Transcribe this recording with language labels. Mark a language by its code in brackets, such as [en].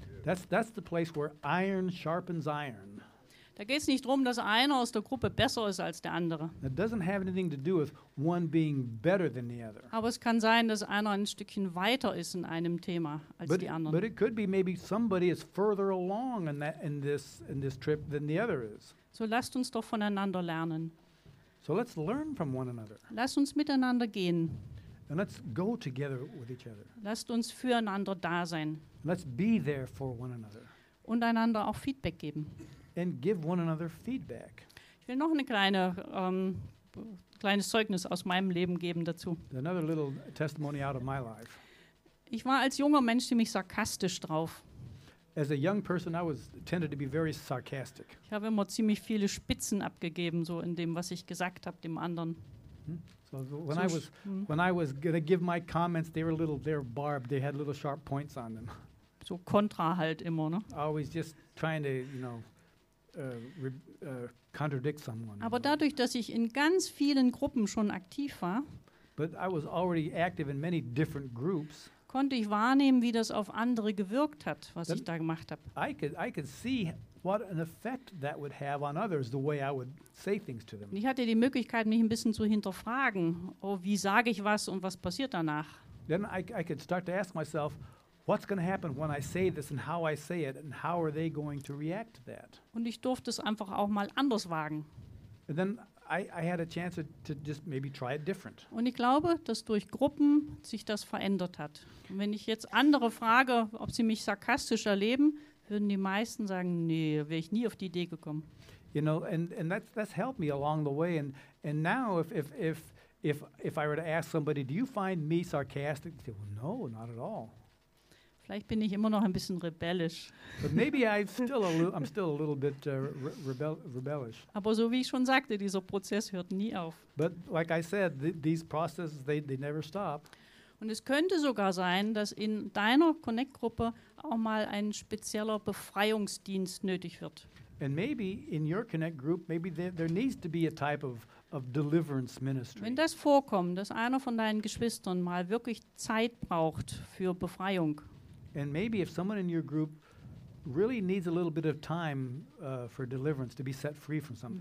[en] That's the place where iron sharpens iron. [de] Da geht es nicht darum, dass einer aus der Gruppe besser ist als der andere. [en] It doesn't have anything to do with one being better than the other. [de] Aber es kann sein, dass einer ein Stückchen weiter ist in einem Thema als [en] but [de] die anderen. [en] But it could be maybe somebody is further along in this trip than the other is. [de] So lasst uns doch voneinander lernen. [en] So let's learn from one another. [de] Lasst uns miteinander gehen. [en] And let's go together with each other. [de] Lasst uns füreinander da sein. [en] Let's be there for one another. [de] Und einander auch Feedback geben. [en] And give one another feedback. [de] Ich will noch eine kleines Zeugnis aus meinem Leben geben dazu. [en] Another little testimony out of my life. [de] Ich war als junger Mensch ziemlich sarkastisch drauf. [en] As a young person, I was tended to be very sarcastic. [de] Ich habe immer ziemlich viele Spitzen abgegeben, so in dem, was ich gesagt habe, dem anderen. [en] So when I was going to give my comments, they were barbed. They had little sharp points on them. [de] So kontra halt immer, ne? [en] Always just trying to, you know, contradict someone. [de] Aber dadurch, dass ich in ganz vielen Gruppen schon aktiv war, [en] but I was already active in many different groups, [de] konnte ich wahrnehmen, wie das auf andere gewirkt hat, was ich da gemacht habe. [en] I could see what an effect that would have on others, the way I would say things to them. [de] Ich hatte die Möglichkeit, mich ein bisschen zu hinterfragen. Oh, wie sage ich was und was passiert danach? [en] Then I could start to ask myself, what's going to happen when I say this and how I say it and how are they going to react to that? [de] Und ich durfte es einfach auch mal anders wagen. [en] And then I had a chance to just maybe try it different. [de] Und ich glaube, dass durch Gruppen sich das verändert hat. Und wenn ich jetzt andere frage, ob sie mich sarkastisch erleben, würden die meisten sagen, nee, wäre ich nie auf die Idee gekommen. [en] You know, and that's helped me along the way. And now if I were to ask somebody, do you find me sarcastic? They say, well, no, not at all. [de] Vielleicht bin ich immer noch ein bisschen rebellisch. [en] But maybe I'm still a little bit rebellious. [de] Aber so wie ich schon sagte, dieser Prozess hört nie auf. [en] But like I said, these processes they never stop. [de] Und es könnte sogar sein, dass in deiner Connect-Gruppe auch mal ein spezieller Befreiungsdienst nötig wird. [en] And maybe in your Connect group maybe there needs to be a type of deliverance ministry. [de] Wenn das vorkommt, dass einer von deinen Geschwistern mal wirklich Zeit braucht für Befreiung. [en] And maybe if someone in your group really needs a little bit of time for deliverance, to be set free from something.